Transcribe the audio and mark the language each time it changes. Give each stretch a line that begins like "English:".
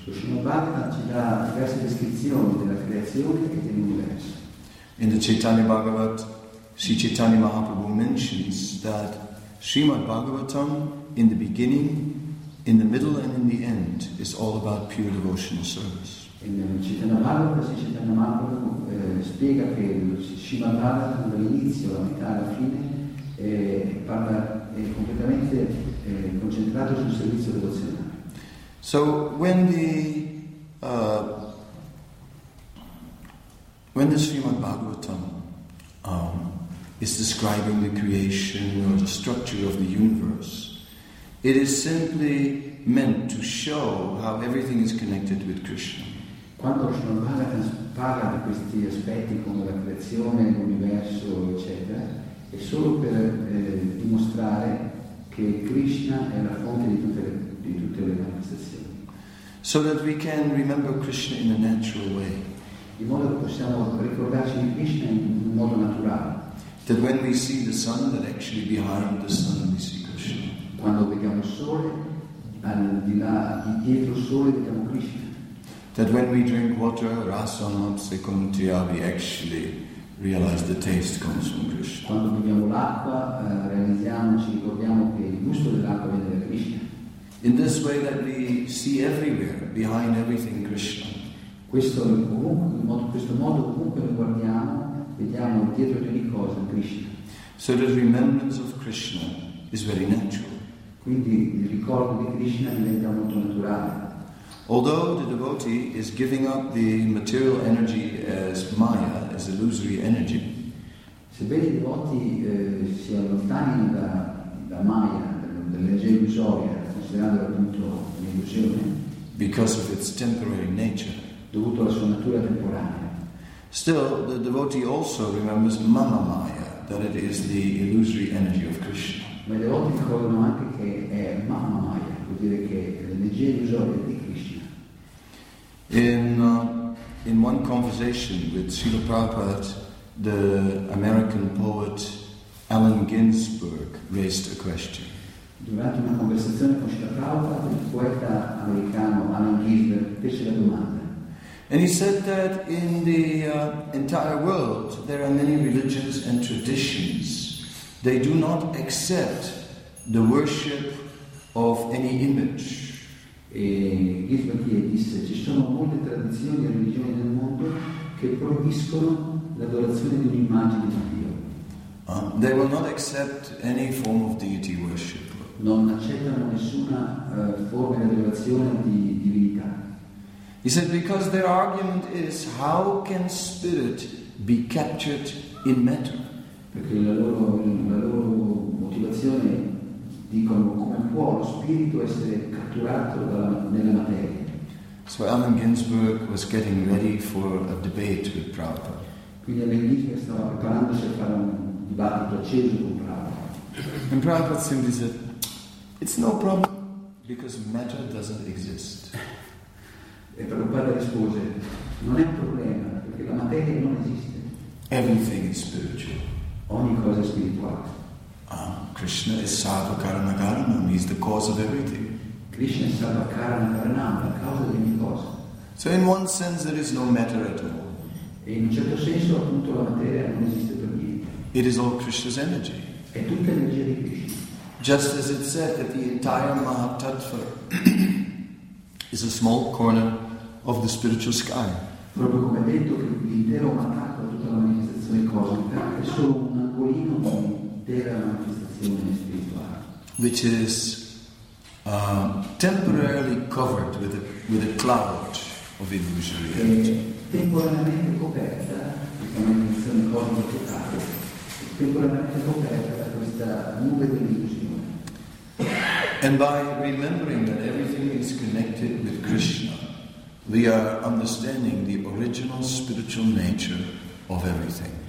English: In the Chaitanya Bhagavat, Sri Chaitanya Mahaprabhu mentions that Srimad Bhagavatam, in the beginning, in the middle and in the end, is all about pure devotional service.
Italian: In Chaitanya Bhagavata, Sri Chaitanya Mahaprabhu spiega che Srimad Bhagavatam dall'inizio, la metà, alla fine, parla, è completamente concentrato sul servizio devozionale.
English: So when the Srimad Bhagavatam is describing the creation or the structure of the universe, it is simply meant to show how everything is connected with Krishna.
Italian: Quando Srimad Bhagavatam parla di questi aspetti come la creazione, l'universo, eccetera, è solo per dimostrare che Krishna è la fonte di tutte le manifestazioni.
English: So that we can remember Krishna in a natural way.
Italian: In modo che possiamo ricordarci di Krishna in un modo naturale.
English: That when we see the sun, that actually behind the sun we see Krishna.
Italian: Quando vediamo il sole, al di là, dietro il sole vediamo Krishna.
English: That when we drink water,
Sanskrit: rasanam sekuntia,
English: we actually realize the taste comes from Krishna.
Italian: Quando beviamo l'acqua, realizziamo, ci ricordiamo che il gusto dell'acqua viene da Krishna.
English: In this way that we see everywhere, behind everything, Krishna.
Italian: Questo in questo modo comunque lo guardiamo, vediamo dietro di ogni cosa Krishna.
English: So the remembrance of Krishna is very natural.
Italian: Quindi il ricordo di Krishna diventa molto naturale.
English: Although the devotee is giving up the material energy as maya, as illusory energy.
Italian: Sebbene i devoti si allontanino da maya, dall'energia illusoria, considerando appunto l'illusione,
English: because of its temporary nature,
Italian: dovuto alla sua natura temporanea.
English: Still, the devotee also remembers mama maya, that it is the illusory energy of Krishna.
Italian: Ma i devoti ricordano anche che è mama maya, vuol dire che è l'energia illusoria di Krishna.
English: In one conversation with Srila Prabhupada, the American poet Allen Ginsberg raised a question.
Italian: Durante una conversazione con Srila Prabhupada, il poeta americano Allen Ginsberg fece la domanda.
English: And he said that in the entire world there are many religions and traditions. They do not accept the worship of any image.
Italian: E Ginsberg disse: ci sono molte tradizioni e religioni nel mondo che proibiscono l'adorazione di un'immagine di Dio.
English: They will not accept any form of deity worship.
Italian: Non accettano nessuna forma di adorazione di divinità.
English: He said, because their argument is, how can spirit be captured in matter?
Italian: Perché la loro motivazione, dicono, come può lo spirito essere catturato nella materia?
English: So Allen Ginsberg was getting ready for a debate with Prabhupada.
Italian: Quindi Allen Ginsberg stava preparandosi a fare un dibattito acceso con Prabhupada.
English: And Prabhupada simply said, it's no problem, because matter doesn't exist.
Italian: E Prabhupada rispose, non è un problema, perché la materia non esiste.
English: Everything is spiritual.
Italian: Ogni cosa è spirituale.
English: Krishna is
Sanskrit: sarva karana karanam,
English: he's the cause of everything.
Italian: Krishna è
Sanskrit: sarva karana karanam,
Italian: la causa di ogni cosa.
English: So in one sense there is no matter at all.
Italian: E in un certo senso appunto la materia non esiste per niente.
English: It is all Krishna's energy.
Italian: È tutta energia di Krishna.
English: Just as it said that the entire Mahatattva is a small corner of the spiritual sky.
Italian: Proprio come detto che l'intero Mahatattva, tutta la manifestazione cosmica, è solo un angolino di intera manifestazione spirituale.
English: Which is temporarily covered with a cloud of illusory energy.
Italian: Temporaneamente coperta, questa manifestazione cosmica totale, temporaneamente coperta questa nube dell'illusione.
English: And by remembering that everything is connected with Krishna, we are understanding the original spiritual nature of everything.